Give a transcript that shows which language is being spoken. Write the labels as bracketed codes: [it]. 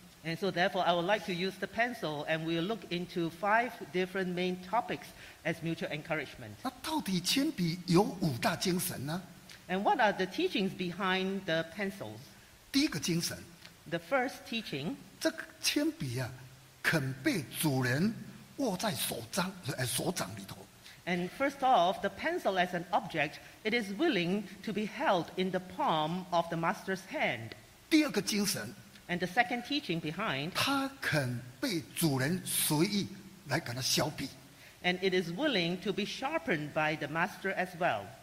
[en] And so therefore, I would like to use the pencil and we'll look into five different main topics as mutual encouragement. [zh] 那到底铅笔有五大精神呢？ [en] And what are the teachings behind the pencils? [zh] 第一个精神, [en] the first teaching, [zh] 这个铅笔啊, 肯被主人握在手掌里头。 [en] And first off, the pencil as an object, it is willing to be held in the palm of the master's hand. [zh] 第二个精神, [en] And the second teaching behind, [zh] 它肯被主人随意来给它削笔。 [en] And it is willing to be sharpened by the master as well.